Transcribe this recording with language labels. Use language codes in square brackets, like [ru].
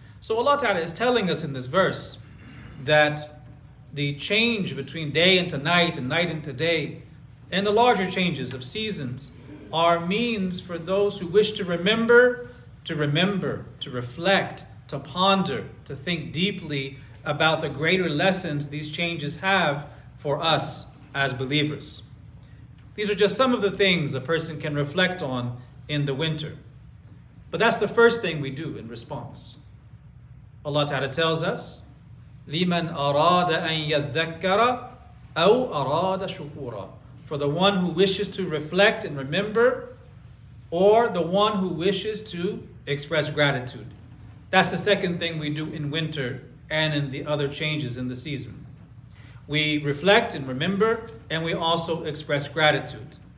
[en] So Allah Ta'ala is telling us in this verse that the change between day into night and night into day, and the larger changes of seasons, are means for those who wish to remember, to reflect, to ponder, to think deeply about the greater lessons these changes have for us as believers. These are just some of the things a person can reflect on in the winter. But that's the first thing we do in response. Allah Ta'ala tells us, [ar] لِمَنْ أَرَادَ أَنْ يَذَّكَّرَ أَوْ أَرَادَ شُكُورًا. [en] For the one who wishes to reflect and remember, or the one who wishes to express gratitude. That's the second thing we do in winter and in the other changes in the season. We reflect and remember, and we also express gratitude.